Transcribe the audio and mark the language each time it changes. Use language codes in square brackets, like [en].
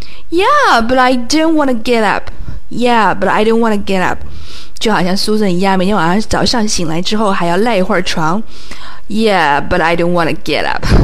[en] Yeah, but I don't want to get up. Yeah, but I don't want to get up. [zh] 就好像 Susan 一样，每天晚上早上醒来之后还要赖一会儿床。 [en] Yeah, but I don't want to get up.